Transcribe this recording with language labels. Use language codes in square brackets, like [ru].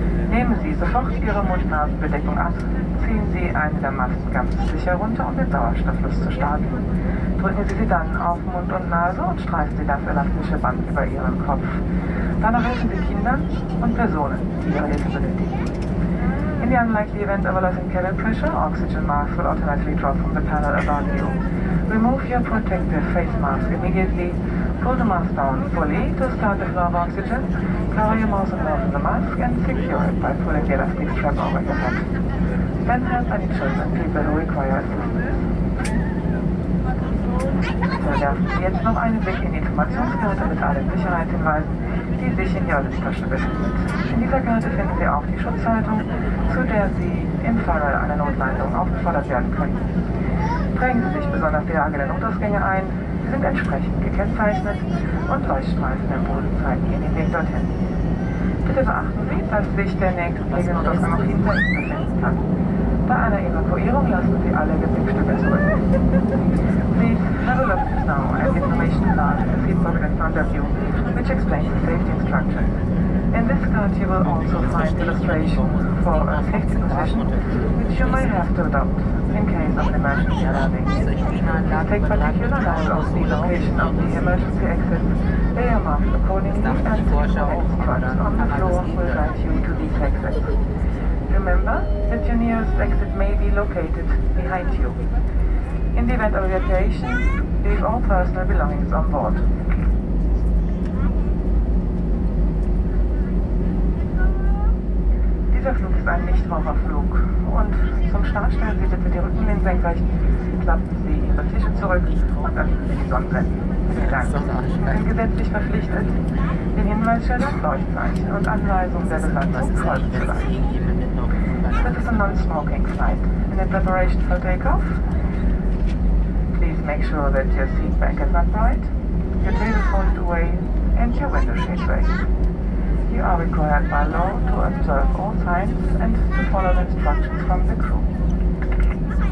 [de] Nehmen Sie sofort Ihre Mund-Nasen-Bedeckung ab, ziehen Sie eine der Masken ganz sicher runter, um den Sauerstofffluss zu starten. Drücken Sie sie dann auf Mund und Nase und streifen Sie das elastische Band über Ihren Kopf. Danach helfen Sie Kindern und Personen, die Ihre Hilfe benötigen. [en] In the unlikely event of a loss in cabin pressure, oxygen masks will automatically drop from the panel above you. Remove your protective face mask immediately, pull the mask down fully to start the flow of oxygen, cover your mouth and mouth in the mask and secure it by pulling the elastic strap over your head. Then help any children, people who require assistance. [de] So, werfen Sie jetzt noch einen Blick in die Informationskarte mit allen Sicherheitshinweisen, die sich in Ihrer Lufttasche befindet. In dieser Karte finden Sie auch die Schutzhaltung, zu der Sie im Fall einer Notlandung aufgefordert werden können. Drängen Sie sich besonders die Lage der Notausgänge ein, Sie sind entsprechend gekennzeichnet und Leuchtstreifen im Boden zeigen Ihnen den Weg dorthin. Bitte beachten Sie, dass sich der nächstgelegene Notausgang noch hinter Ihnen befinden kann. Bei einer Evakuierung lassen Sie alle Gepäckstücke zurück. [en] Please have a look now at information card in the seatbelt in front of you, which explains the safety instructions. In this card you will also find the registration for a safety position, which you may have to adopt in case of emergency landing. Take particular note of the location of the emergency exit. They are marked accordingly and the instructions on the floor will guide you to these exits. Remember that your nearest exit may be located behind you. In the event of evacuation, leave all personal belongings on board. [de] Dieser Flug ist ein Nichtraucherflug und zum Start stellen Sie bitte die Rücken in den Senkrecht, klappen Sie Ihre Tische zurück und öffnen Sie die Sonnenblenden. Vielen Dank. Sie sind gesetzlich verpflichtet, den Hinweisschildern, Leuchtzeichen und Anweisungen der Besatzung folgen zu lassen. [en] This is a non-smoking flight. In the preparation for takeoff, please make sure that your seat back is upright, your telephone is away and your window shade away. You are required by law to observe all signs and to follow the instructions from the crew.